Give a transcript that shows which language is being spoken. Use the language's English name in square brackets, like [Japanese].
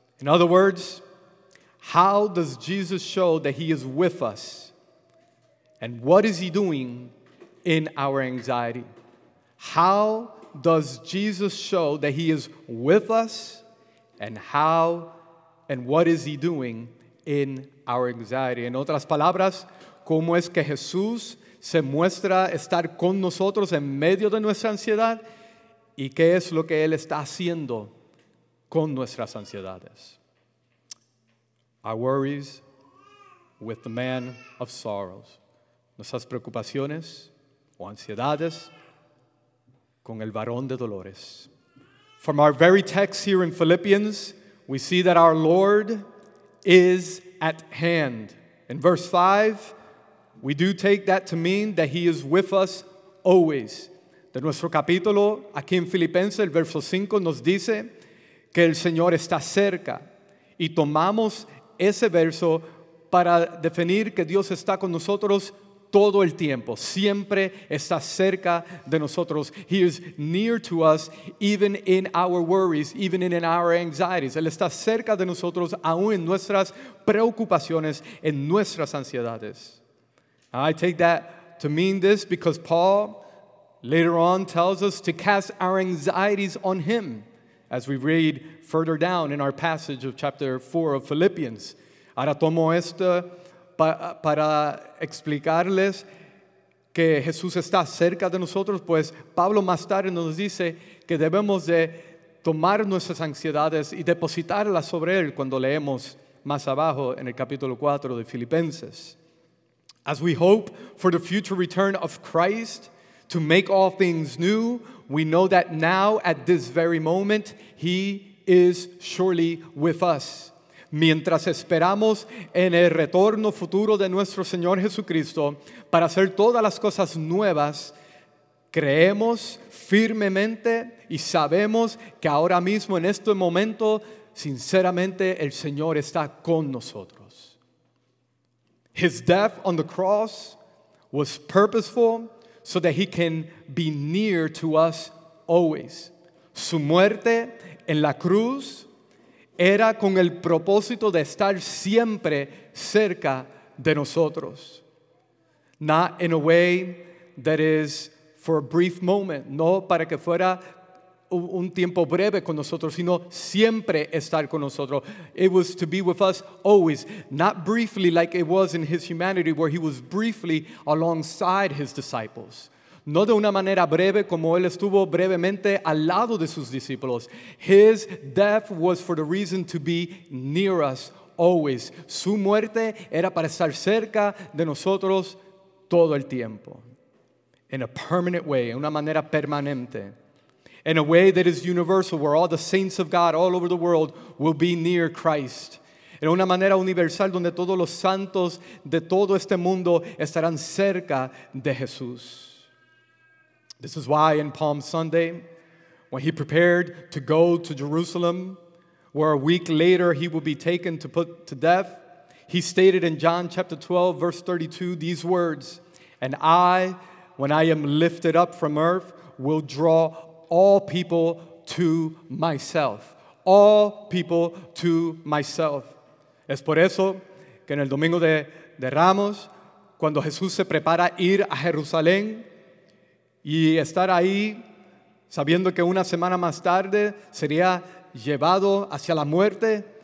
[English] In other words, how does Jesus show that he is with us? And what is he doing in our anxiety? How does Jesus show that he is with us? And how and what is he doing in our anxiety? [Spanish] En otras palabras, ¿cómo es que Jesús se muestra estar con nosotros en medio de nuestra ansiedad? ¿Y qué es lo que él está haciendo con nuestras ansiedades? [English] Our worries with the man of sorrows. [Spanish] Nuestras preocupaciones o ansiedades con el varón de dolores. [English] From our very text here in Philippians, we see that our Lord is at hand. In verse 5, we do take that to mean that he is with us always. [Spanish] De nuestro capítulo, aquí en Filipenses, el verso 5 nos dice que el Señor está cerca. Y tomamos ese verso para definir que Dios está con nosotros todo el tiempo. Siempre está cerca de nosotros. [English] He is near to us even in our worries, even in our anxieties. [Spanish] Él está cerca de nosotros aún en nuestras preocupaciones, en nuestras ansiedades. [English] I take that to mean this because Paul later on tells us to cast our anxieties on him, as we read further down in our passage of chapter 4 of Philippians. [Spanish] Ahora tomo esto para explicarles que Jesús está cerca de nosotros, pues Pablo más tarde nos dice que debemos de tomar nuestras ansiedades y depositarlas sobre él cuando leemos más abajo en el capítulo 4 de Filipenses. [English] As we hope for the future return of Christ to make all things new, we know that now, at this very moment, he is surely with us. [Spanish] Mientras esperamos en el retorno futuro de nuestro Señor Jesucristo para hacer todas las cosas nuevas, creemos firmemente y sabemos que ahora mismo, en este momento, sinceramente, el Señor está con nosotros. [English] His death on the cross was purposeful so that he can be near to us always. [Spanish] Su muerte en la cruz era con el propósito de estar siempre cerca de nosotros. [English] Not in a way that is for a brief moment, [Spanish] no para que fuera un tiempo breve con nosotros, sino siempre estar con nosotros. [English] It was to be with us always, not briefly like it was in his humanity, where he was briefly alongside his disciples. [Spanish] No de una manera breve como él estuvo brevemente al lado de sus discípulos. [English] His death was for the reason to be near us always. [Spanish] Su muerte era para estar cerca de nosotros todo el tiempo. [English] In a permanent way, [Spanish] en una manera permanente. [English] In a way that is universal, where all the saints of God all over the world will be near Christ. [Spanish] En una manera universal donde todos los santos de todo este mundo estarán cerca de Jesús. [English] This is why in Palm Sunday, when he prepared to go to Jerusalem, where a week later he would be taken to put to death, he stated in John chapter 12, verse 32, these words, "And I, when I am lifted up from earth, will draw all people to myself." All people to myself. [Spanish] Es por eso que en el Domingo de Ramos, cuando Jesús se prepara a ir a Jerusalén, y estar ahí sabiendo que una semana más tarde sería llevado hacia la muerte.